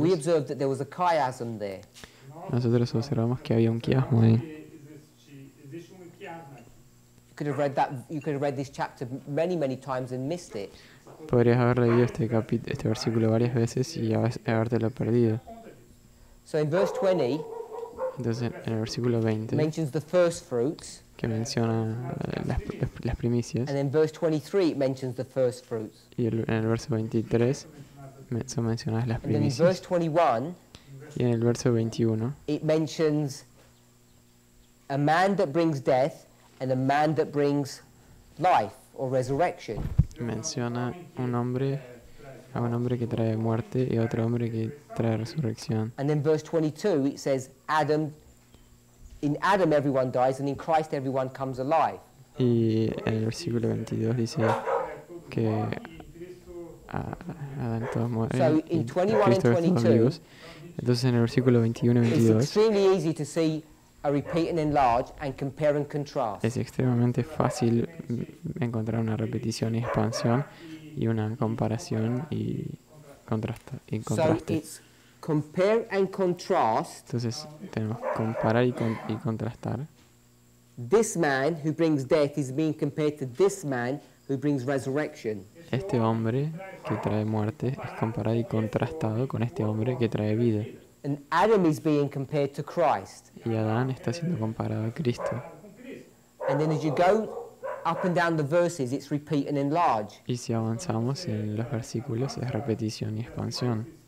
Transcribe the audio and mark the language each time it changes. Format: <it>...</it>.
<en>we observed that there was a chiasm there.</en> <es>Nosotros observamos que había un quiasmo ahí.</es> <en>You could have read this chapter many, many times and missed it.</en> <es>Podrías haber leído este versículo varias veces y habértelo perdido.</es> <en>So in verse 20,</en> <es>entonces en el versículo 20</es> <en>mentions the first fruits,</en> <es>que menciona las primicias,</es> <en>and in verse 23 mentions the first fruits.</en> <es>Y en el verso 23 son mencionadas las primicias.</es> <en>And in verse 21,</en> <es>y en el verso 21</es> <en>it mentions a man that brings death and a man that brings life or resurrection.</en> <es>Menciona un hombre, a un hombre que trae muerte y a otro hombre que trae resurrección.</es> <en>And in verse 22 it says Adam, in Adam everyone dies and in Christ everyone comes alive.</en> <es>Y en el versículo 22 dice que Adán todos mueren</es> <en>so in</en> <es>y Cristo es todos vivos. Entonces en el versículo 21 y 22</es> <en>it's extremely easy to see a repeat and enlarge and compare and contrast.</en> <es>Es extremadamente fácil encontrar una repetición y expansión y una comparación y contraste.</es> <en>So it's compare and contrast.</en> <es>Entonces tenemos comparar y contrastar.</es> <en>This man who brings death is being compared to this man who brings resurrection.</en> <es>Este hombre que trae muerte es comparado y contrastado con este hombre que trae vida.</es> <en>And Adam is being compared to Christ.</en> <es>Y Adán está siendo comparado a Cristo.</es> <en>And then as you go up and down the verses, it's repeat and enlarge.</en> <es>Y si avanzamos en los versículos, es repetición y expansión.</es>